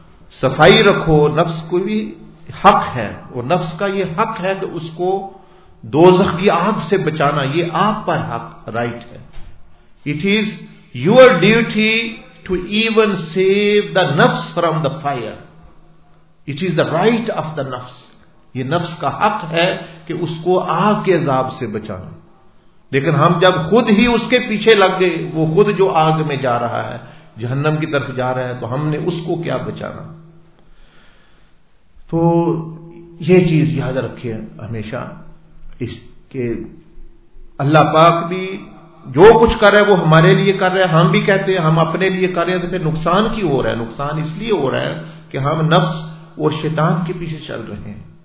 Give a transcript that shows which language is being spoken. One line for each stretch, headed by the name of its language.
Urdu: Safai rakho, nafs ko bhi حق ہے، اور نفس کا یہ حق ہے کہ اس کو دوزخ کی آگ سے بچانا، یہ آپ پر حق رائٹ ہے.
English: It is your duty to even save the نفس from the fire, it is the right of the نفس.
Urdu: یہ نفس کا حق ہے کہ اس کو آگ کے عذاب سے بچانا، لیکن ہم جب خود ہی اس کے پیچھے لگ گئے، وہ خود جو آگ میں جا رہا ہے، جہنم کی طرف جا رہا ہے، تو ہم نے اس کو کیا بچانا؟ تو یہ چیز یاد رکھیے ہمیشہ، اس کے اللہ پاک بھی جو کچھ کر رہے وہ ہمارے لیے کر رہے ہیں، ہم بھی کہتے ہیں ہم اپنے لیے کر رہے ہیں، تو پھر نقصان کیوں ہو رہا ہے؟ نقصان اس لیے ہو رہا ہے کہ ہم نفس اور شیطان کے پیچھے چل رہے ہیں.